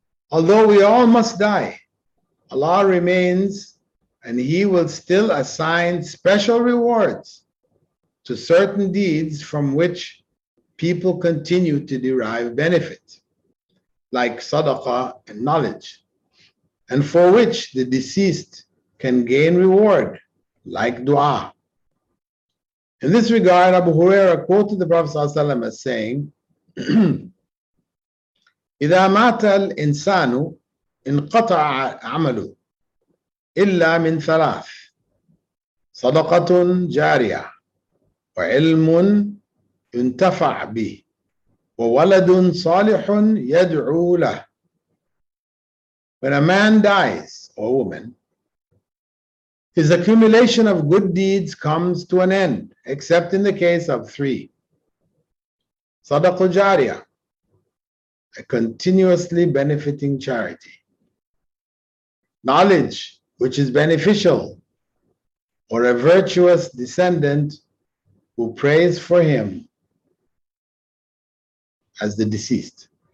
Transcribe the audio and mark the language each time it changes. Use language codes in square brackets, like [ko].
[en] Although we all must die, Allah remains and He will still assign special rewards to certain deeds from which people continue to derive benefit, like sadaqah and knowledge, and for which the deceased can gain reward, like dua. In this regard, Abu Huraira quoted the Prophet Sallallahu Alaihi Wasallam as saying, [ar] إِذَا مَاتَ الْإِنسَانُ انْقَطَعَ عَمَلُ إِلَّا مِنْ ثَلَاثِ صَدَقَةٌ جَارِيَةٌ وَعِلْمٌ ينتفع به وولد صالح يدعو له. [en] When a man dies, or woman, his accumulation of good deeds comes to an end, except in the case of three: صدق جارية, a continuously benefiting charity; knowledge, which is beneficial; or a virtuous descendant who prays for him as the deceased.